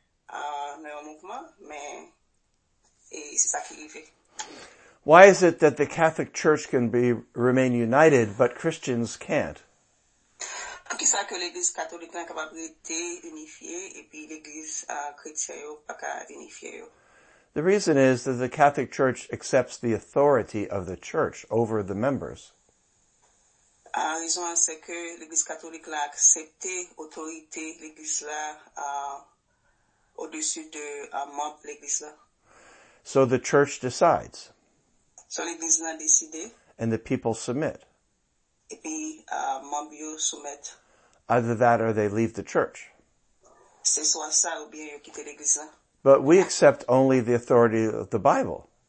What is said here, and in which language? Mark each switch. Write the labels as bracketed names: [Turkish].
[French] le mouvement, mais et c'est ça qui est arrivé. [English] Why is it that the Catholic Church can be remain united but Christians can't? [French] Pourquoi ça que l'Église catholique est capable de unifier et puis l'Église chrétienne n'est pas capable d'unifier? [English] The reason is that the Catholic Church accepts the authority of the Church over the members. [French] La raison c'est que l'Église catholique l'a accepté autorité l'Église là au-dessus de membre l'Église là. [English] So the Church decides. [French] So l'Église l'a décidé. [English] And the people submit. [French] Et puis membres ils soumettent. [English] Either that or they leave the Church. [French] C'est soit ça ou bien ils quittent l'Église là. [English] But we accept only the authority of the Bible.